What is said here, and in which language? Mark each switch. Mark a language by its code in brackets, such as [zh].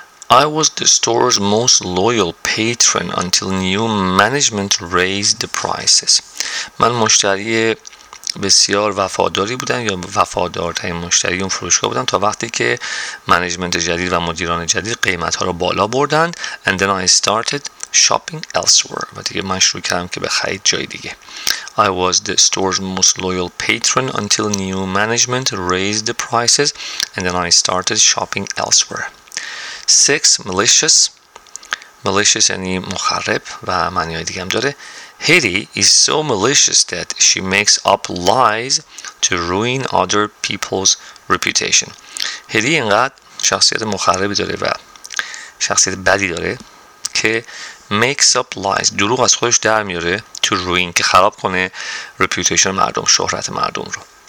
[en] I was the store's most loyal patron until new management raised the prices. [fa] من مشتری بسیار وفاداری بودم, یا وفادارترین مشتری اون فروشگاه بودم, تا وقتی که منیجمنت جدید و مدیران جدید قیمت ها رو بالا بردن. [en] And then I started shopping elsewhere. [fa] و دیگه من شروع کردم که به خرید جای دیگه. [en] I was the store's most loyal patron until new management raised the prices. And then I started shopping elsewhere. 6. Malicious. [fa] Malicious یعنی مخرب و معنی های دیگه هم داره. [en] Hedy is so malicious that she makes up lies to ruin other people's reputation. [fa] Hedy اینقدر شخصیت مخربی داره و شخصیت بدی داره که [en] makes up lies, [fa] دروغ از خودش در میاره, [en] to ruin, [fa] که خراب کنه reputation مردم, شهرت مردم رو.